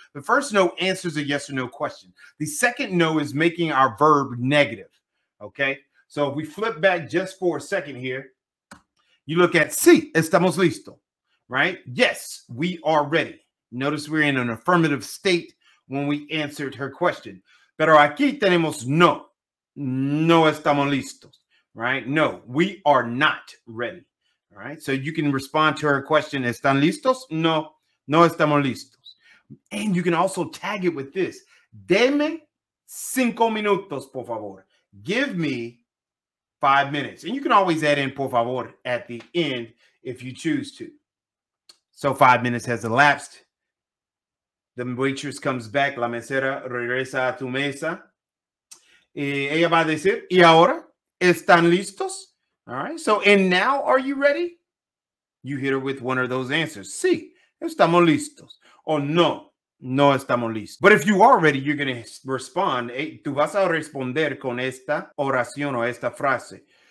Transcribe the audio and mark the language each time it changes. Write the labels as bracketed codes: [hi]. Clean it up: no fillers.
[en] The first no answers a yes or no question. The second no is making our verb negative, okay? So if we flip back just for a second here, you look at [es] sí, estamos listos, [en] right? Yes, we are ready. Notice we're in an affirmative state when we answered her question. [es] Pero aquí tenemos no, no estamos listos, right? [en] No, we are not ready, all right? So you can respond to her question, [es] ¿están listos? No, no estamos listos. [en] And you can also tag it with this. [es] Deme cinco minutos, por favor. [en] Give me 5 minutes. And you can always add in [es] por favor [en] at the end if you choose to. So 5 minutes has elapsed. The waitress comes back. [es] La mesera regresa a tu mesa. Y ella va a decir, ¿y ahora? ¿Están listos? [en] All right. So, and now, are you ready? You hit her with one of those answers. [es] Sí, estamos listos. [en] Or [es] no, no estamos listos. [en] But if you are ready, you're going to respond. [es] Tú vas a responder con esta oración o esta frase.